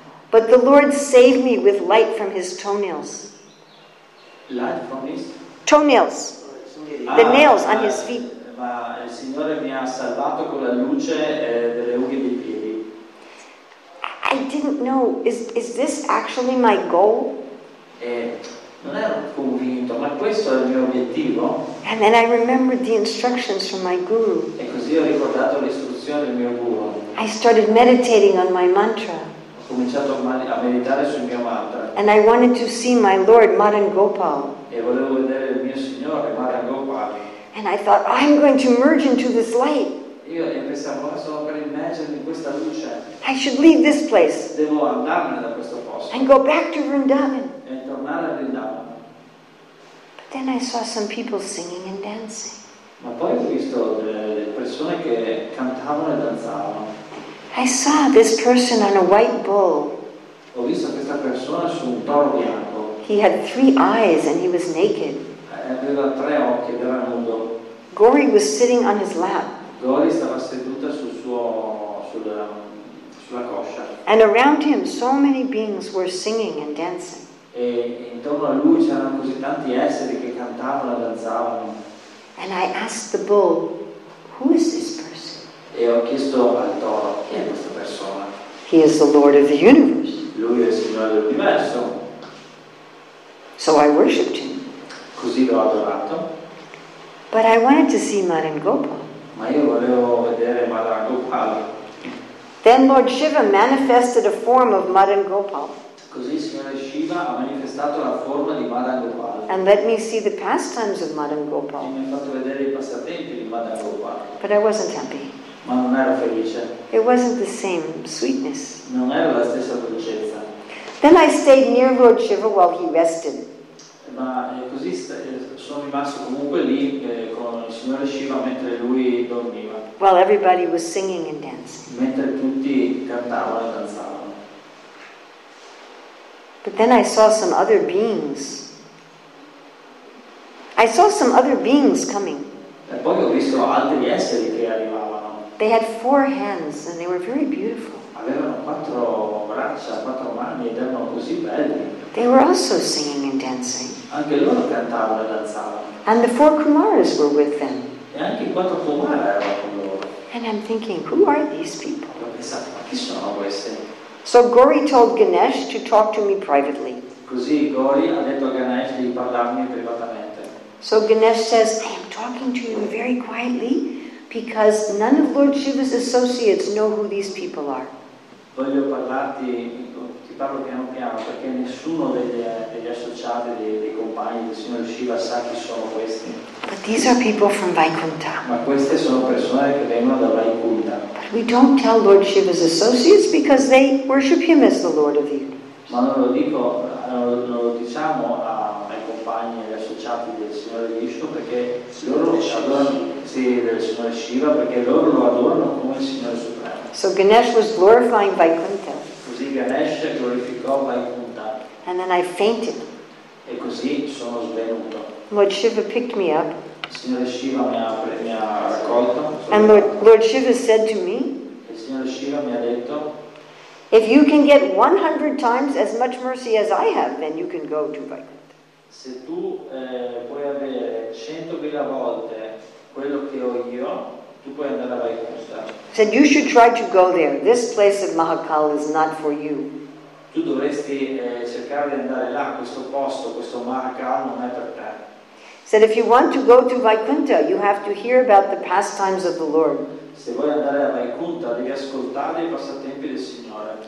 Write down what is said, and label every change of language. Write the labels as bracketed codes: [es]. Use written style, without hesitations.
[en] But the Lord saved me with light from his toenails. Light from his toenails. The nails on his feet. [it] Ma il Signore mi ha salvato con la luce delle unghie dei piedi. [en] I didn't know. Is this actually my goal? [it] Non ero convinto, ma questo è il mio obiettivo. [en] And then I remembered the instructions from my guru. [it] E così ho ricordato le istruzioni del mio guru. [en] I started meditating on my mantra. [it] Ho cominciato a meditare sul mio mantra. [en] And I wanted to see my Lord Madan Gopal. [it] E volevo vedere il mio Signore Madan Gopal. [en] And I thought, oh, I'm going to merge into this light. [it] Io pensavo, sto per immergermi in questa luce. [en] I should leave this place. [it] Devo andarmene da questo posto. [en] And go back to Vrindavan. [it] E tornare a Vrindavan. [en] Then I saw some people singing and dancing. [it] Ma poi ho visto delle persone che cantavano e danzavano. [en] I saw this person on a white bull. [it] Ho visto questa persona su un toro bianco. [en] He had three eyes and he was naked. [it] Aveva tre occhi ed era nudo. [en] Gori was sitting on his lap. [it] Gori stava seduta sulla coscia. [en] And around him so many beings were singing and dancing. [it] E intorno a lui c'erano così tanti esseri che cantavano e danzavano. [en] And I asked the bull, who is this person? [it] E ho chiesto al toro, chi è questa persona? [en] He is the Lord of the universe. [it] Lui è il Signore dell'universo. [en] So I worshipped him. [it] Così l'ho adorato. [en] But I wanted to see Madan Gopal. [it] Ma io volevo vedere Madan Gopal. [en] Then Lord Shiva manifested a form of Madan Gopal. [it] Così Signore Shiva ha manifestato la forma di Madan Gopal. [en] And let me see the pastimes of Madan Gopal. [it] E mi ha fatto vedere i passatempi di Madan Gopal. [en] But I wasn't happy. [it] Ma non ero felice. [en] It wasn't the same sweetness. [it] Non era la stessa dolcezza. [en] Then I stayed near Lord Shiva while he rested. [it] Ma così sono rimasto comunque lì con il Signore Shiva mentre lui dormiva. [en] While everybody was singing and dancing. [it] Mentre tutti cantavano e danzavano. [en] But then I saw some other beings. I saw some other beings coming. [it] E poi ho visto altri esseri che arrivavano. [en] They had four hands and they were very beautiful. [it] Avevano quattro braccia, quattro mani ed erano così belli. [en] They were also singing and dancing. [it] Anche loro cantavano e danzavano. [en] And the four Kumaras were with them. [it] E anche i quattro Kumara erano con loro. [en] And I'm thinking, who are these people? [it] Ho pensato, ma chi sono questi? [en] So Gauri told Ganesh to talk to me privately. [it] Così Gauri ha detto a Ganesh di parlarmi privatamente. [en] So Ganesh says, I am talking to you very quietly because none of Lord Shiva's associates know who these people are. [it] Voglio parlarti, ti parlo piano piano, perché nessuno degli associati, dei compagni del Signore Shiva sa chi sono questi. [en] But these are people from Vaikuntha. [it] Ma queste sono persone che vengono da Vaikuntha. [en] We don't tell Lord Shiva's associates because they worship him as the Lord of the universe. [it] Ma non lo dico, non lo diciamo ai compagni, agli associati del Signore Vishnu perché loro lo adorano, sì, del Signore Shiva perché loro lo adorano come il Signore Supremo. [en] So Ganesh was glorifying Vaikuntha. [it] Così Ganesh glorificò Vaikuntha. [en] And then I fainted. [it] E così sono svenuto. [en] Lord Shiva picked me up. [it] Signore Shiva mi ha raccolto. [en] And Lord Shiva said to me, [it] il Signore Shiva mi ha detto, [en] if you can get 100 times as much mercy as I have, then you can go to Vaikuntha. [it] Se tu puoi avere 100.000 volte quello che ho io, tu puoi andare a Vaikuntha. [en] Said you should try to go there. This place of Mahakal is not for you. [it] Tu dovresti cercare di andare là, questo posto, questo Mahakal non è per te. [en] Said if you want to go to Vaikuntha, you have to hear about the pastimes of the Lord. [it] Se vuoi andare a Vaikuntha, devi ascoltare i passatempi del Signore.